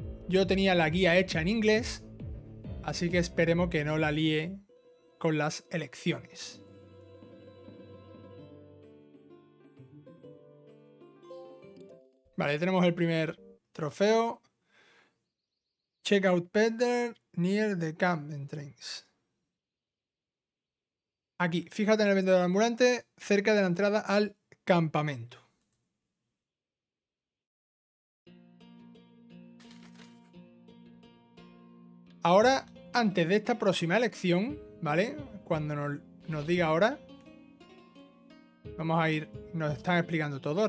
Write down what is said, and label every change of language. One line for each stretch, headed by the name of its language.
Spanish: Yo tenía la guía hecha en inglés, así que esperemos que no la líe con las elecciones. Vale, tenemos el primer trofeo.
English: Check out Peter near the camp entrance.
Spanish: Aquí, fíjate en el vendedor ambulante, cerca de la entrada al campamento. Ahora, antes de esta próxima elección, ¿vale? Cuando nos diga ahora, vamos a ir, nos están explicando todo.